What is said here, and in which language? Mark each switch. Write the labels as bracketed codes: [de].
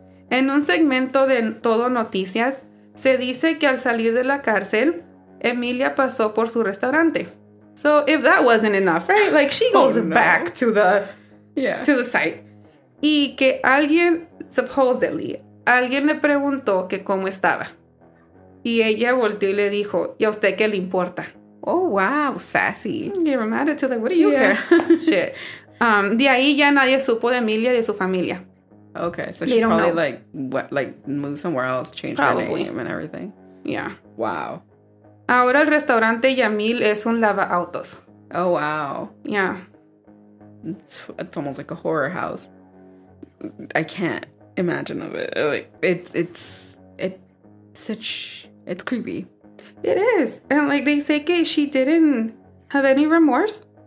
[es] En un segmento de Todo Noticias, se dice que al salir de la cárcel, Emilia pasó por su restaurante. [en] So, if that wasn't enough, right? Like, she goes back to the, to the site. [es] Y que alguien, supposedly, alguien le preguntó que cómo estaba. Y ella volteó y le dijo, ¿y a usted qué le importa? [en] Oh, wow, sassy. Give him attitude, like, what do you care? Shit. [es] De ahí ya nadie supo de Emilia y de su familia. [en] Okay, so she probably, like moved somewhere else, changed probably her name and everything. Yeah. Wow. [es] Ahora el restaurante Yamil es un lava autos. [en] Oh, wow. Yeah. It's almost like a horror house. I can't. imagine of it. Like, it's creepy. It is. And, like, they say that she didn't have any remorse.